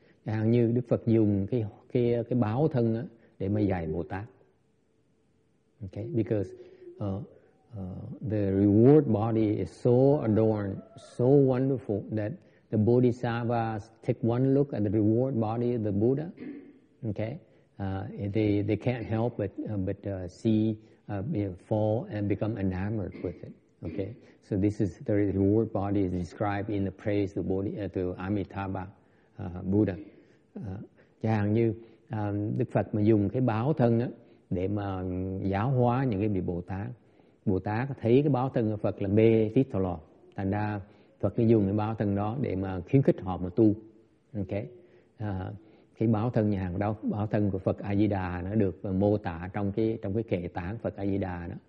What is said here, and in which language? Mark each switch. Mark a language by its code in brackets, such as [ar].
[vi] Hàng như Đức Phật dùng cái báo thân á để mà dạy Bồ Tát. [en] Okay, because the reward body is so adorned, so wonderful that the bodhisattvas take one look at the reward body of the Buddha. Okay, they can't help but see. Fall and become enamored with it. Okay, so this is the reward body is described in the praise of Bodhi, to Amitabha Buddha. [vi] Chẳng hạn như Đức Phật mà dùng cái báo thân á để mà giáo hóa những cái vị Bồ Tát. Bồ Tát thấy cái báo thân của Phật là mê tít thọ lò, thành ra Phật mới dùng cái báo thân đó để mà khuyến khích họ mà tu. Okay, cái báo thân nhà hàng đó, báo thân của Phật A Di Đà nó được mô tả trong cái kệ tạng Phật A Di Đà đó.